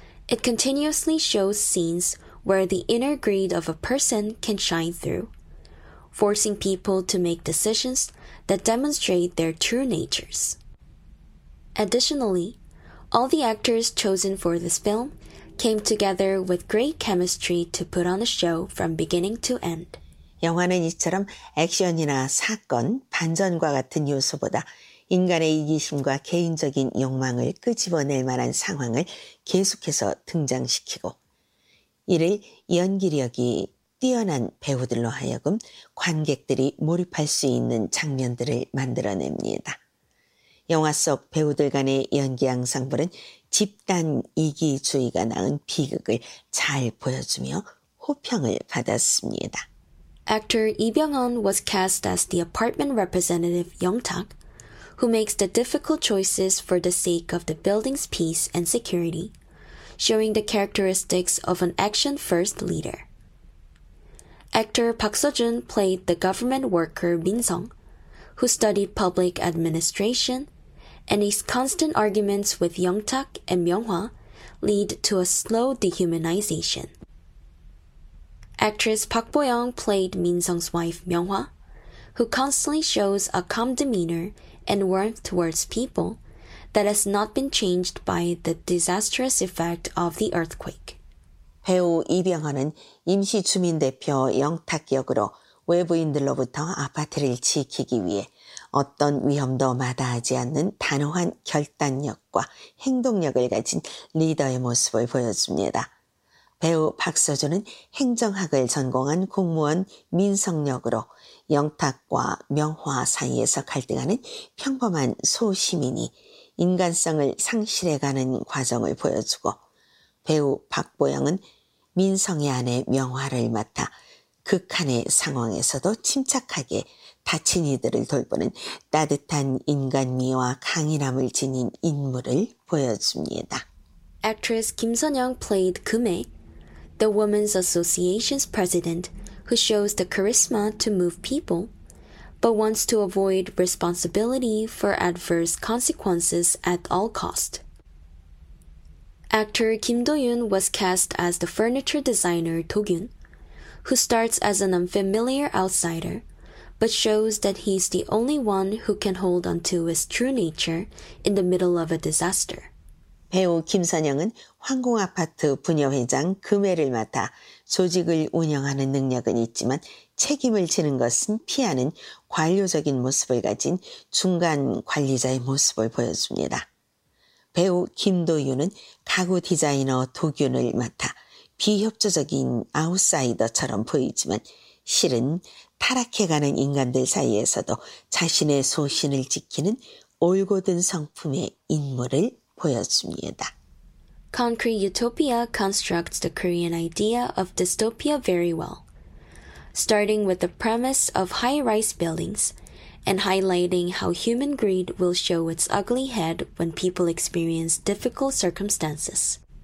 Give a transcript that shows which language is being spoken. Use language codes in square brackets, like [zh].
[en] It continuously shows scenes where the inner greed of a person can shine through, forcing people to make decisions that demonstrate their true natures. Additionally, all the actors chosen for this film came together with great chemistry to put on a show from beginning to end. [ko] 영화는 이처럼 액션이나 사건, 반전과 같은 요소보다 인간의 이기심과 개인적인 욕망을 끄집어낼 만한 상황을 계속해서 등장시키고 이를 연기력이 뛰어난 배우들로 하여금 관객들이 몰입할 수 있는 장면들을 만들어냅니다. 영화 속 배우들 간의 연기 앙상블은 집단 이기주의가 낳은 비극을 잘 보여주며 호평을 받았습니다. [en] Actor Lee Byung-hun was cast as the apartment representative Yong-tak, who makes the difficult choices for the sake of the building's peace and security, showing the characteristics of an action-first leader. Actor Park Seo-jun played the government worker Min-sung, who studied public administration, and his constant arguments with Yong-tak and Myung-hwa lead to a slow dehumanization. Actress Park Bo-young played Min Sung's wife, Myung-hwa, who constantly shows a calm demeanor and warmth towards people that has not been changed by the disastrous effect of the earthquake. [ko] 배우 이병헌은 임시주민 대표 영탁 역으로 외부인들로부터 아파트를 지키기 위해 어떤 위험도 마다하지 않는 단호한 결단력과 행동력을 가진 리더의 모습을 보여줍니다. 배우 박서준은 행정학을 전공한 공무원 민성 역으로 영탁과 명화 사이에서 갈등하는 평범한 소시민이 인간성을 상실해가는 과정을 보여주고 배우 박보영은 민성의 아내 명화를 맡아 극한의 상황에서도 침착하게 다친 이들을 돌보는 따뜻한 인간미와 강인함을 지닌 인물을 보여줍니다. [en] Actress Kim Sun-young played Kume, the Women's Association's president who shows the charisma to move people, but wants to avoid responsibility for adverse consequences at all cost. Actor Kim Do-yoon was cast as the furniture designer Do-yoon, who starts as an unfamiliar outsider, but shows that he's the only one who can hold on to his true nature in the middle of a disaster. [ko] 배우 김선영은 황공아파트 분여회장 금혜를 맡아 조직을 운영하는 능력은 있지만 책임을 지는 것은 피하는 관료적인 모습을 가진 중간 관리자의 모습을 보여줍니다. 배우 김도윤은 가구 디자이너 도균을 맡아 비협조적인 아웃사이더처럼 보이지만 실은 타락해가는 인간들 사이에서도 자신의 소신을 지키는 올곧은 성품의 인물을 보여줍니다. [en] Concrete Utopia constructs the Korean idea of dystopia very well, starting with the premise of high-rise buildings and highlighting how human greed will show its ugly head when people experience difficult circumstances.